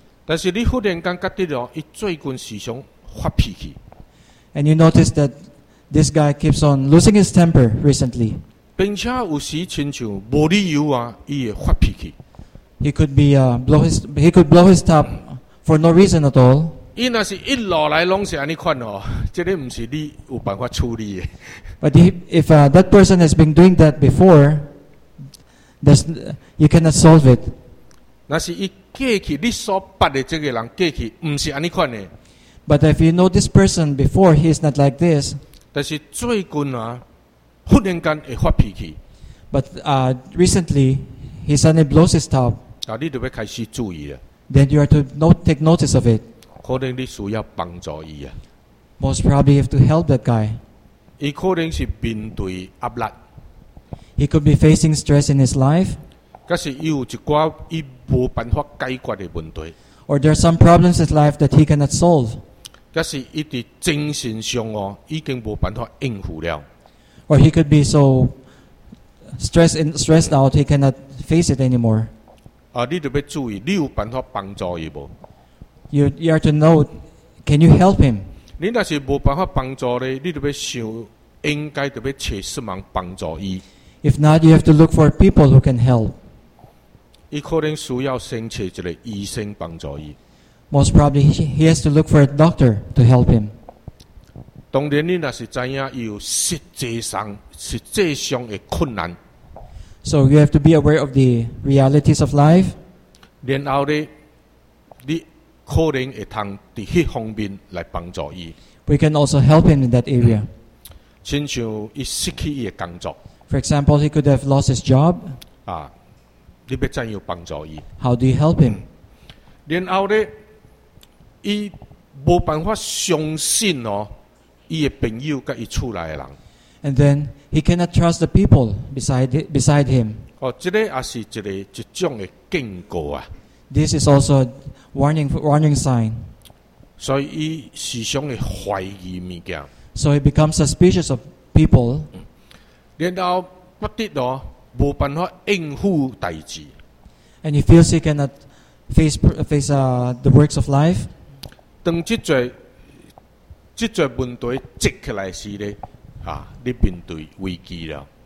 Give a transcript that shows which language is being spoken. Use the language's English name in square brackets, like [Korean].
[Min Nan Chinese] 但是你忽然间觉得哦，伊最近时常发脾气 [English] ，and you notice that this guy keeps on losing his temper recently， [Min Nan Chinese] 并且有时亲像无理由啊，伊会发脾气 [English] ，he could be he could blow his top for no reason at all。 [Min Nan Chinese] 伊那是一路来拢是安尼款哦，这个唔是你有办法处理的。 [English] But if that person has been doing that before, you cannot solve it. [Min Nan Chinese] 那是伊过去你所捌的这个人过去唔是安尼款的。 [English] But if you know this person before, he is not like this. [Min Nan Chinese] 但是最近啊，忽然间会发脾气。 [English] But recently, he suddenly blows his top. [Min Nan Chinese] 啊，你就要开始注意了。 [English] Then you are to take notice of it. [Min Nan Chinese] 可能你需要帮助伊啊。 [English] Most probably have to help that guy. [Min Nan Chinese] 伊可能是面对压力。 [English] He could be facing stress in his life. [Min Nan Chinese] 可是伊有一挂伊无办法解决的问题。 [English] Or there are some problems in life that he cannot solve. [Min Nan Chinese] 可是伊的精神上哦，已经无办法应付了。 [English] Or he could be so stressed out he cannot face it anymore. [Min Nan Chinese] 啊，你得要注意，你有办法帮助伊无？ [English] You are to know, can you help him? [Min Nan Chinese] 你那是无办法帮助咧，你就要想，应该就要找什么帮助伊。 [English] If not, you have to look for people who can help. [Min Nan Chinese] 伊可能需要先找一个医生帮助伊。 [English] Most probably, he has to look for a doctor to help him. [Min Nan Chinese] 当然，你那是知影有实际上的困难。 [English] So you have to be aware of the realities of life. [Min Nan Chinese] 然后咧，你。可能会通在迄方面来帮助伊。 [English] We can also help him in that area. [Min Nan Chinese] 亲像伊失去伊的工作。 [English] For example, he could have lost his job. [Min Nan Chinese] 啊，你要怎样帮助伊 [English] ？How do you help him？ [Min Nan Chinese] 然后咧，伊无办法相信哦，伊的朋友甲伊厝内的人。 [English] And then he cannot trust the people beside him. [Min Nan Chinese] 哦，这个也是一种的警告啊。 [English] This is also warning sign. [Min Nan Chinese] 所以伊时常会怀疑物件。 [English] So he becomes suspicious of people. [Min Nan Chinese] 然后不得哦，无办法应付代志。 [English] And he feels he cannot face the works of life. [Min Nan Chinese] 当即阵问题积起来时咧，啊，你面对危机了。